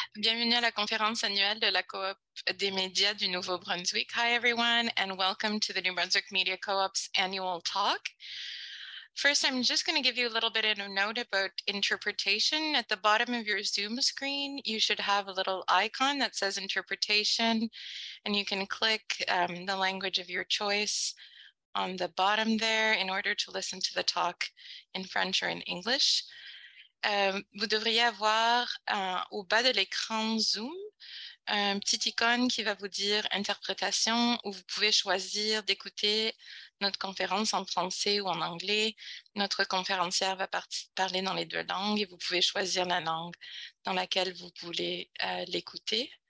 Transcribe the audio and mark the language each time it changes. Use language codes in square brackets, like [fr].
[fr] Bienvenue à la conférence annuelle de la coop des médias du Nouveau-Brunswick. [en] Hi everyone, and welcome to the New Brunswick Media Co-op's annual talk. First, I'm just going to give you a little bit of a note about interpretation. At the bottom of your Zoom screen, you should have a little icon that says interpretation, and you can click the language of your choice on the bottom there in order to listen to the talk in French or in English. [fr] Vous devriez avoir au bas de l'écran Zoom un petit icône qui va vous dire interprétation où vous pouvez choisir d'écouter notre conférence en français ou en anglais. Notre conférencière va parler dans les deux langues et vous pouvez choisir la langue dans laquelle vous voulez l'écouter.